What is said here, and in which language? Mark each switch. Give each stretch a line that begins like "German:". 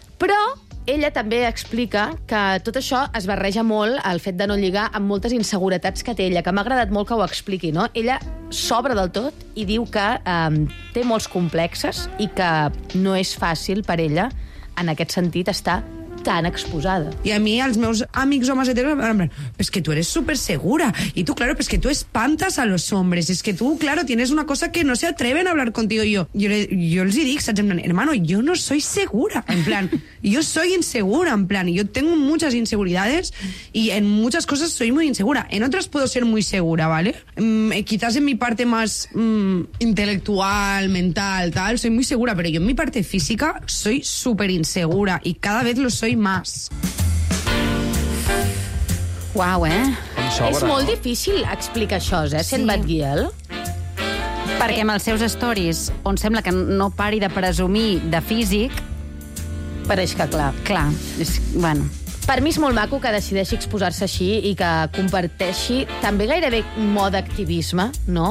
Catalan: Però ella també explica que tot això es barreja molt al fet de no lligar amb moltes inseguretats que té ella, que m'ha agradat molt que ho expliqui, no? Ella s'obre del tot i diu que té molts complexes i que no és fàcil per ella, en aquest sentit, estar tan exposada. I a mi els meus amics homes heteros em diuen,
Spanish: pues que tu eres supersegura, i tu, claro, pues que tu espantes a los hombres, es que tu, claro, tienes una cosa que no se atreven a hablar contigo.
Catalan: I jo els hi dic, saps?
Spanish: Hermano, yo no soy segura, en plan, yo soy insegura, en plan, yo tengo muchas inseguridades y en muchas cosas soy muy insegura. En otras puedo ser muy segura, ¿vale? Quizás en mi parte más intelectual, mental, tal, soy muy segura, pero yo en mi parte física soy súper insegura y cada vez lo soy más. Uau, eh? Sobra,
Catalan: és molt difícil explicar això, sent Batguil. Perquè amb els seus stories, on sembla que no pari de presumir de físic, pareix que clar. Clar, és, bueno. Per mi és molt maco que decideixi exposar-se així i que comparteixi també gairebé mode activisme, no?